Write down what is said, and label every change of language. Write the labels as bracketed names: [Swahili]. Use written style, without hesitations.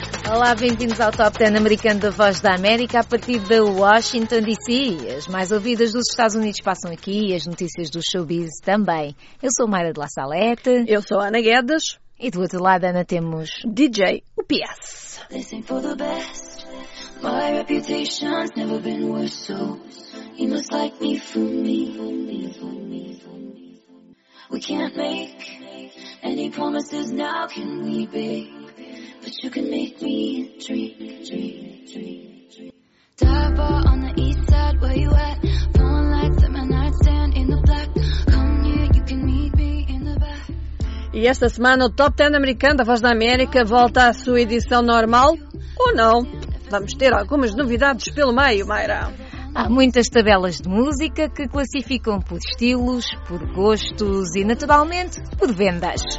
[Portuguese] Olá, bem-vindos ao Top 10 americano da Voz da América, a partir de Washington, D.C. As mais ouvidas dos Estados Unidos passam aqui e as notícias do showbiz também. Eu sou Mayra de La Salette. Eu sou Ana Guedes. E do outro lado, Ana, temos [English] DJ O P.S. Listen for the best. My reputation's never been worse, so you must like me for me. We can't make any promises now, can we, babe? But you can make me drink. Dive bar on the east side, where you at? Phone lights at my nightstand in the black. Come here, you can meet me in the back. [Portuguese] E esta semana o Top 10 americano da Voz da América volta à sua edição normal, ou não? Vamos ter algumas novidades pelo meio, Mayra. Há muitas tabelas de música que classificam por estilos, por gostos e, naturalmente, por vendas.